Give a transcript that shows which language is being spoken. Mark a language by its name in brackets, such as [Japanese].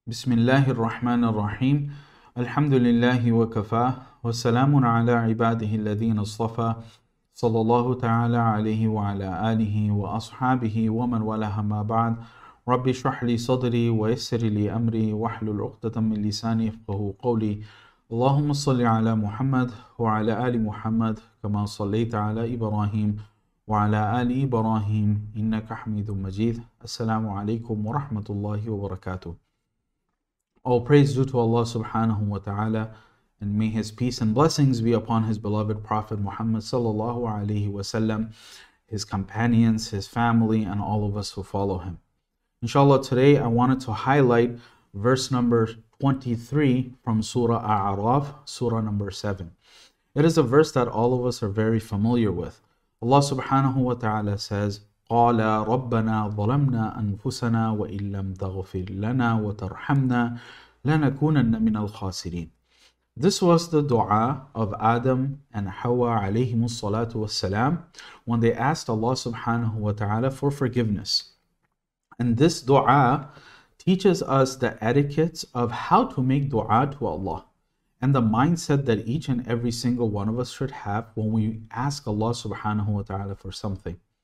[Arabic] بسم الله الرحمن الرحيم الحمد لله وكفى وسلام على عباده الذين اصطفى صلى الله تعالى عليه وعلى آله وأصحابه ومن والاه ما بعد رب اشرح لي صدري ويسر لي أمري واحلل عقدة من لساني يفقهوا قولي اللهم صل على محمد وعلى آل محمد كما صليت على إبراهيم وعلى آل إبراهيم إنك حميد مجيد السلام عليكم ورحمة الله وبركاته. [English] All praise due to Allah subhanahu wa ta'ala, and may His peace and blessings be upon His beloved Prophet Muhammad sallallahu alayhi wa sallam, his companions, his family, and all of us who follow him. Inshallah, today I wanted to highlight verse number 23 from Surah A'raf, Surah number 7. It is a verse that all of us are very familiar with. Allah subhanahu wa ta'ala says, [Arabic] قَالَ رَبَّنَا ظَلَمْنَا أَنفُسَنَا وَإِن لَمْ تَغْفِرْ لَنَا وَتَرْحَمْنَا لَنَكُونَنَّ مِنَ الْخَاسِرِينَ. [English] This was the dua of Adam and Hawwa alayhimu salatu wassalam when they asked Allah subhanahu wa ta'ala for forgiveness. And this dua teaches us the etiquette of how to make dua to Allah and the mindset that each and every single one of us should have when we ask Allah subhanahu wa ta'ala for something.